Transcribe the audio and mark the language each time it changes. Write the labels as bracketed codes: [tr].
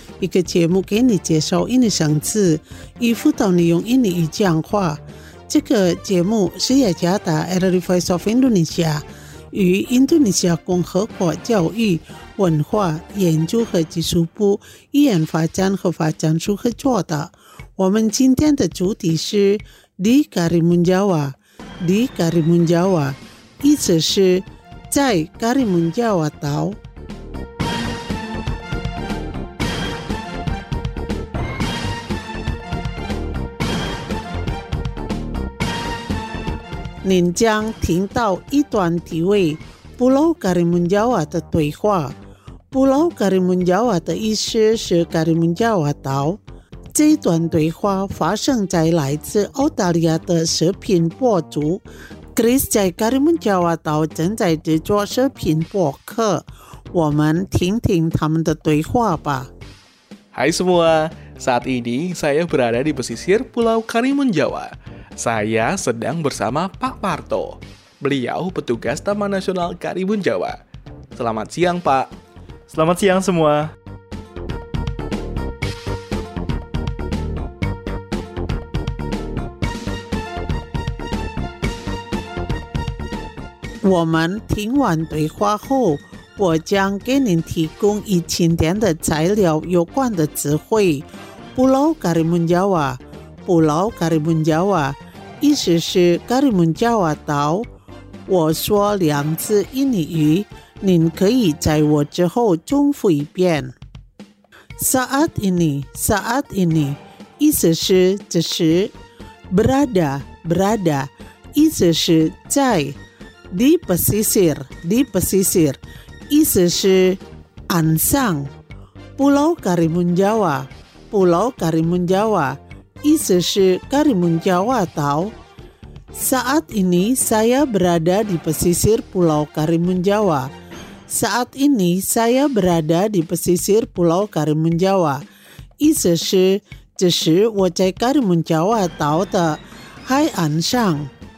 [zh] 一个节目给你介绍英语生词，以辅导你用英语讲话。这个节目是雅加达 RRI Voice of Indonesia。与印度尼西亚共和国教育文化研究和技术部语言发展和发展处合作的。我们今天的主题是 Di Karimun Jawa， Di Karimun Jawa 意思是在 Karimun Jawa 岛。您将听到一段题为 Pulau Karimun Jawa 的对话。 Pulau Karimun Jawa 的意思是 Karimun Jawa 岛。这段对话发生在来自澳大利亚的视频博主 Chris 在 Karimun Jawa 岛正在制作视频博客。我们听听他们的对话吧。 [id] Hai semua, saat ini saya berada di pesisir Pulau Karimun Jawa。 Saya sedang bersama Pak Parto. Beliau petugas Taman Nasional Karimun Jawa. Selamat siang, Pak. Selamat siang semua. [zh] Woman, 听完对话后，我将给您提供一千点的材料有关的词汇。 [id] Pulau Karimun Jawa, Pulau Karimun Jawa. [zh] 意思是 Karimun Jawa 岛。我说两次印尼语，您可以在我之后重复一遍。 [id] Saat ini, saat ini [zh] 意思是这时。 [id] Berada, berada [zh] 意思是在。 [id] Di pesisir, di pesisir [zh] 意思是岸上。 [id] Pulau Karimun Jawa, Pulau Karimun Jawa [zh] 意思是 [id] Karimun Jawa 岛。 Saat ini saya berada di pesisir Pulau Karimun Jawa. Saat ini saya berada di pesisir Pulau Karimun Jawa. [zh] 意思是, 这是我在Karimun Jawa岛的海岸上.